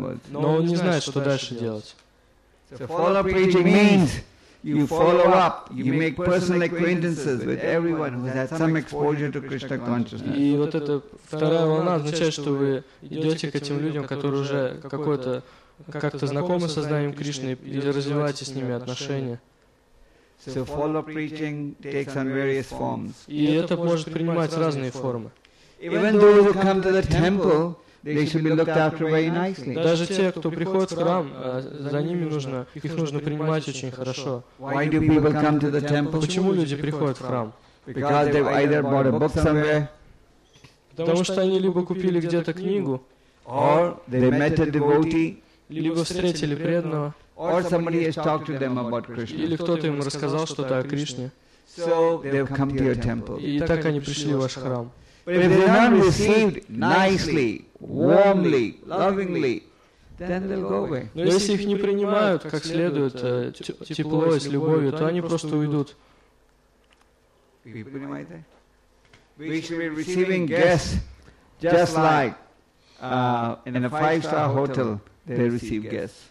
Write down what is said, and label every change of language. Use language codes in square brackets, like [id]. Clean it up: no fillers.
[ru] Но он не знает, что дальше делать. [en] So follow-up preaching means you follow up, you make personal acquaintances with everyone who has some exposure to Krishna consciousness. [ru] И вот эта вторая волна означает, что вы идете к этим людям, которые уже какой-то как-то знакомы с сознанием Кришны или развиваете с ними отношения. [en] So follow-up preaching takes on various forms. [ru] И это может принимать разные формы. [en] Even those who come to the temple, they should be looked after very nicely. [ru] Даже те, кто приходит в храм, за ними нужно, их нужно принимать очень хорошо. [en] Why do people come to the temple? [ru] Почему люди приходят в храм? [en] Because they've either bought a book somewhere. [ru] Потому что они либо купили где-то книгу, [en] or they met a devotee. [ru] Либо встретили преданного, [en] or somebody has talked to them about Krishna. [ru] Или кто-то им рассказал что-то о Кришне. [en] So they've come to your temple. [ru] И так они пришли в ваш храм. [en] But if they're not received nicely, warmly, lovingly, then they'll go away. [ru] Но если их не принимают как следует, тепло и с любовью, то они просто уйдут. [en] We should be receiving guests just like in a five-star hotel. They receive guests.